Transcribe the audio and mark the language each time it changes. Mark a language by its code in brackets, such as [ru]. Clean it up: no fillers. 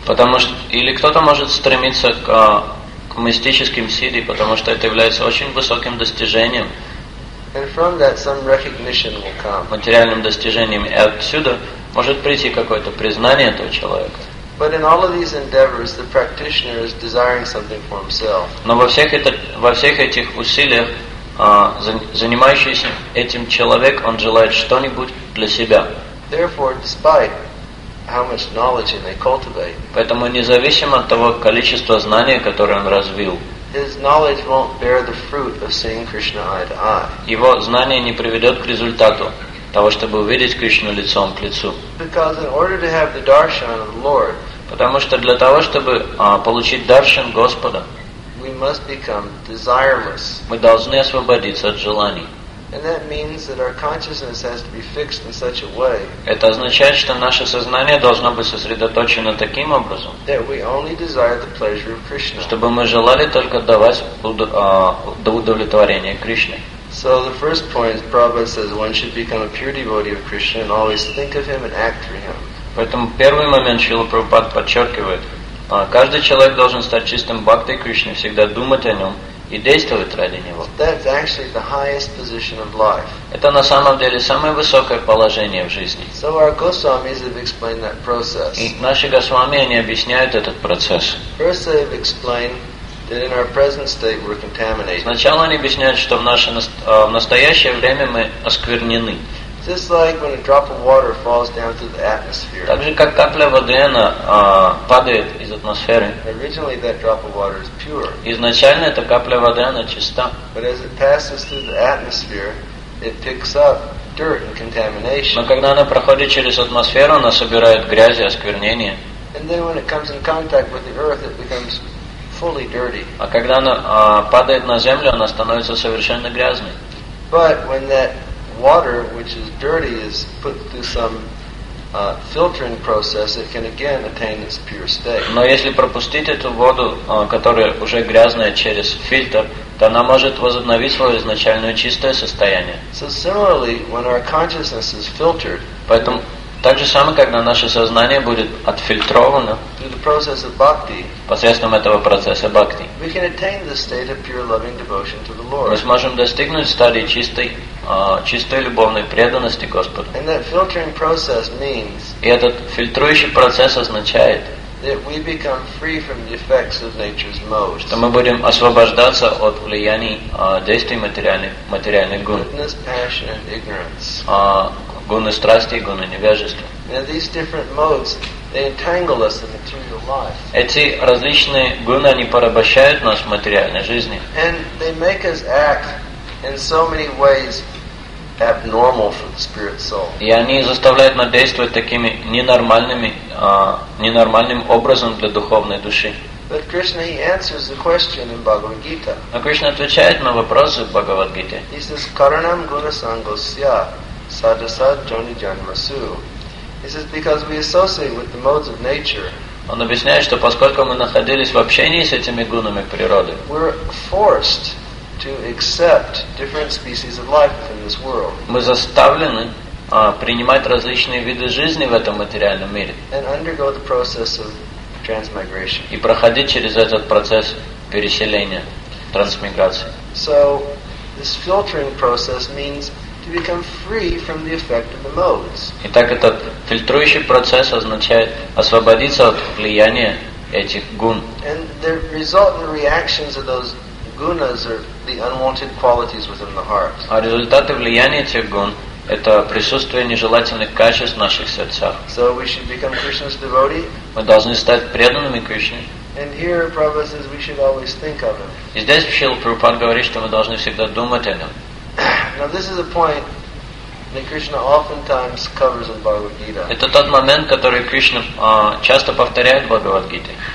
[ru] Потому что или кто-то может стремиться к мистическим сити, потому что это является очень высоким достижением. [en] And from that some recognition will come. [ru] Материальным достижением и отсюда может прийти какое-то признание этого человека. [en] But in all of these endeavors, the practitioner is desiring something for himself. [ru] Но во всех этих усилиях занимающийся этим человек, он желает что-нибудь для себя. [en] Therefore, despite how much knowledge he may cultivate, [ru] поэтому независимо от того количества знания, которое он развил, [en] his knowledge won't bear the fruit of seeing Krishna eye to eye. [ru] Его знание не приведет к результату того, чтобы увидеть Кришну лицом к лицу. [en] Because in order to have the darshan of the Lord, [ru] потому что для того, чтобы получить даршан Господа, [en] we must become desireless. [ru] Мы должны освободиться от желаний. [en] And that means that our consciousness has to be fixed in such a way. [ru] Это означает, что наше сознание должно быть сосредоточено таким образом, [en] that we only desire the pleasure of Krishna. [ru] Чтобы мы желали только давать удовлетворение Кришне. [en] So the first point is Prabhupada says one should become a pure devotee of Krishna and always think of him and act for him. [ru] Поэтому первый момент Шрила Прабхупада подчеркивает, каждый человек должен стать чистым бхактой Кришны, всегда думать о нем и действовать ради него. [en] That's actually the highest position of life. [ru] Это на самом деле самое высокое положение в жизни. [en] So our Госвамис have explained that process. [ru] И наши Госвами, они объясняют этот процесс. [en] First they have explained that in our present state we're contaminated. [ru] Сначала они объясняют, что в настоящее время мы осквернены. [en] Just like when a drop of water falls down through the atmosphere. [ru] Так же, как капля воды, она падает из атмосферы. [en] Originally that drop of water is pure. [ru] Изначально эта капля воды, она чиста. [en] But as it passes through the atmosphere, it picks up dirt and contamination. [ru] Но когда она проходит через атмосферу, она собирает грязь и осквернение. [en] And then when it comes in contact with the earth, it becomes fully dirty. [ru] А когда она падает на землю, она становится совершенно грязной. [en] But when that water, which is dirty, is put through some filtering process, it can again attain its pure state. [ru] Но если пропустить эту воду, которая уже грязная, через фильтр, то она может возобновить свое изначальное чистое состояние. [en] So similarly, when our consciousness is filtered, [ru] поэтому так же самое, когда наше сознание будет отфильтровано [en] through the process of bhakti, [ru] посредством этого процесса бхакти, [en] we can attain the state of pure loving devotion to the Lord. [ru] Мы сможем достигнуть стадии чистой любовной преданности Господу. [en] And that filtering process means, [ru] и этот фильтрующий процесс означает, [en] that we become free from the effects of nature's modes. [ru] Что мы будем освобождаться от влияния действий материальных гун. [en] Goodness, passion, and ignorance. [ru] Гуны страсти и гуны невежества. [en] Now these different modes, they entangle us in material life. [ru] Эти различные гуны, они порабощают нас в материальной жизни. [en] And they make us act in so many ways abnormal for the spirit soul. [ru] И они заставляют нас действовать такими ненормальным образом для духовной души. [en] But Krishna, he answers the question in Bhagavad Gita. [ru] Но Кришна отвечает на вопросы в Бхагавад Гите. [sa] He says, Karanam guna sangosya. Sadasad Joni Janmasu. [en] He says, because we associate with the modes of nature. [ru] Он объясняет, что поскольку мы находились в общении с этими гунами природы, [en] we're forced to accept different species of life within this world. [ru] Мы заставлены принимать различные виды жизни в этом материальном мире. [en] And undergo the process of transmigration. [ru] И проходить через этот процесс переселения, трансмиграции. [en] So this filtering process means become free from the effect of the modes. [ru] Итак, этот фильтрующий процесс означает освободиться от влияния этих гун. [en] And the resultant reactions of those gunas are the unwanted qualities within the heart. [ru] А результаты влияния этих гун – это присутствие нежелательных качеств в наших сердцах. [en] So we should become Krishna's devotee. [ru] Мы должны стать преданными Кришне. [en] And here Prabhupada says we should always think of him. [ru] И здесь Шрила Прабхупада говорит, что мы должны всегда думать о нем. [en] Now this is a point [ru] Это тот момент, который Кришна часто повторяет в Бхагавад-гите.